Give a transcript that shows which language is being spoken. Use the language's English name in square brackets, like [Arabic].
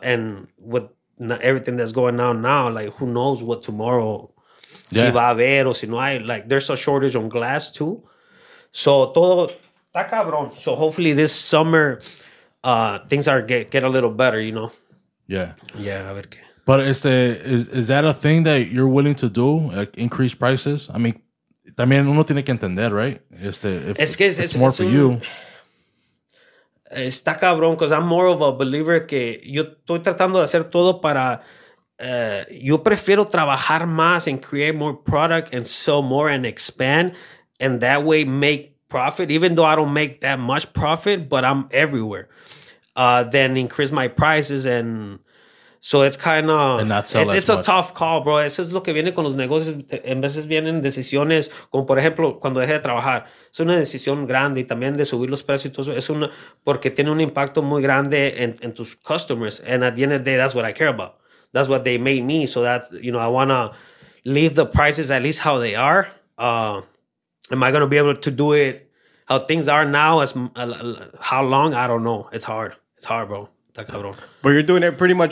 [English] And with everything that's going on now, like, who knows what tomorrow, [Spanish] si va a haber o si no hay. [English] Like, there's a shortage on glass, too. So [Spanish] todo está cabrón. [English] So hopefully this summer things are get a little better, you know. Yeah. [Spanish] Yeah, a ver qué. [English] But is that a thing that you're willing to do, like, increase prices? I mean, [Spanish] también uno tiene que entender, right? [English] It's more for you. [Spanish] Está cabrón, [English] because I'm more of a believer [Spanish] que yo estoy tratando de hacer todo para yo prefiero trabajar más [English] and create more product and sell more and expand, and that way make profit, even though I don't make that much profit, but I'm everywhere, then increase my prices. And so it's kind of, it's a tough call, bro. [Spanish] Eso es lo que viene con los negocios. En veces vienen decisiones, como por ejemplo, cuando dejé de trabajar. Es una decisión grande, y también de subir los precios y todo eso. Es una, porque tiene un impacto muy grande en tus customers. [English] And at the end of the day, that's what I care about. That's what they made me. So that's, you know, I want to leave the prices at least how they are. Am I going to be able to do it how things are now? As how long? I don't know. It's hard. It's hard, bro. But you're doing it pretty much.